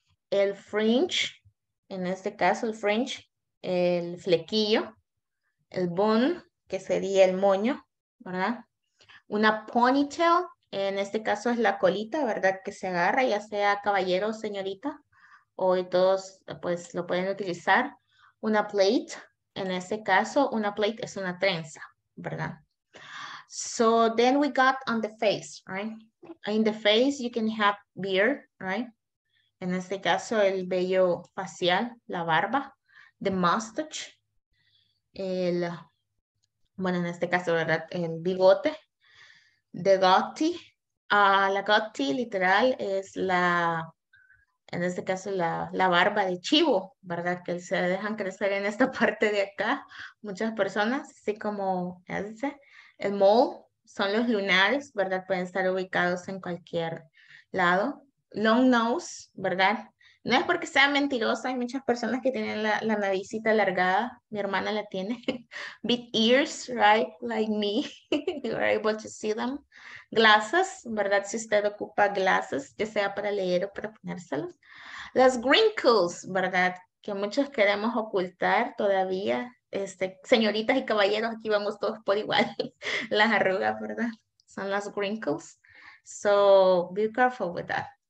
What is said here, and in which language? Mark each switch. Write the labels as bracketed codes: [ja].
[es] El fringe, en este caso el fringe, el flequillo, el bun, que sería el moño, ¿verdad? Una ponytail. En este caso es la colita, ¿verdad? Que se agarra, ya sea caballero o señorita. O todos, pues, lo pueden utilizar. Una plait. En este caso, una plait es una trenza, ¿verdad? [en] So, then we got on the face, right? In the face, you can have beard, right? [es] En este caso, el vello facial, la barba. The mustache. El, bueno, en este caso, ¿verdad? El bigote. The goatee, la goatee literal es la, en este caso la barba de chivo, ¿verdad? Que se dejan crecer en esta parte de acá, muchas personas, así como ese, el mole, son los lunares, ¿verdad? Pueden estar ubicados en cualquier lado. Long nose, ¿verdad? No es porque sea mentirosa, hay muchas personas que tienen la naricita alargada, mi hermana la tiene. [en] Big ears, right? Like me, you are able to see them. [es] Glasses, ¿verdad? Si usted ocupa glasses, ya sea para leer o para ponérselos. Las wrinkles, ¿verdad? Que muchos queremos ocultar todavía. Señoritas y caballeros, aquí vamos todos por igual. Las arrugas, ¿verdad? Son las wrinkles. [en] So, be careful with that.